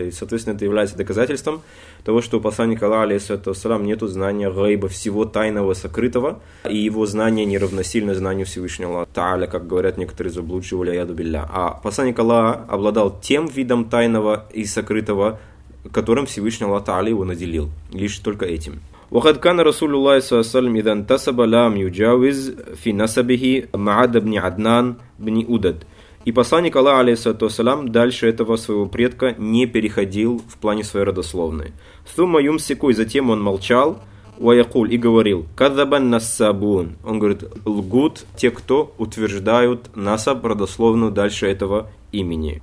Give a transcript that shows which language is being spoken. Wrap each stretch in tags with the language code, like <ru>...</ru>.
<ru>И, соответственно, это является доказательством того, что у посланника Аллаха, алейхиссалату вассалям, нет знания гайба, всего тайного, сокрытого, и его знание не равносильно знанию Всевышнего Аллаха Та'аля, как говорят некоторые заблудшие,</ru> <ar>валяяду билля.</ar> <ru>А посланник Аллаха обладал тем видом тайного и сокрытого, которым Всевышний Аллах Та'аля его наделил, лишь только этим.</ru> <ar>وقد كان رسول الله صلى الله عليه وسلم إذا انتسب لام يجاوز في نسبه معاد بن عدنان بن أودد.</ar> <ru>И посланник Аллаха, алейхиссалату вассалям, дальше этого своего предка не переходил в плане своей родословной.</ru> <ar>Сумма юмсику,</ar> <ru>и затем он молчал,</ru> <ar>ваякуль,</ar> <ru>и говорил,</ru> <ar>каддабан нассабун.</ar> <ru>Он говорит, лгут те, кто утверждают насаб, родословную дальше этого имени.</ru>